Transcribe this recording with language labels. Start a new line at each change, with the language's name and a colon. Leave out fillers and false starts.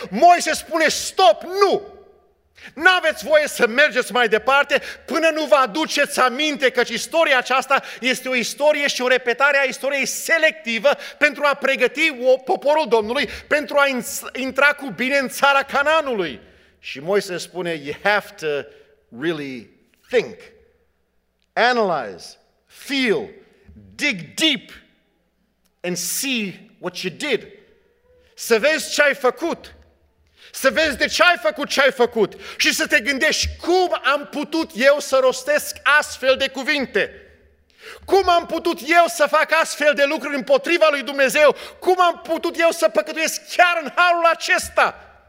Romanian: Moise spune, stop, nu! N-aveți voie să mergeți mai departe până nu vă aduceți aminte, căci istoria aceasta este o istorie și o repetare a istoriei selectivă pentru a pregăti poporul Domnului pentru a intra cu bine în țara Canaanului. Și Moise spune,
English: you have to really think, analyze, feel, dig deep and see what you did.
Romanian: Să vezi ce ai făcut. Să vezi de ce ai făcut ce ai făcut și să te gândești cum am putut eu să rostesc astfel de cuvinte. Cum am putut eu să fac astfel de lucruri împotriva lui Dumnezeu? Cum am putut eu să păcătuiesc chiar în halul acesta?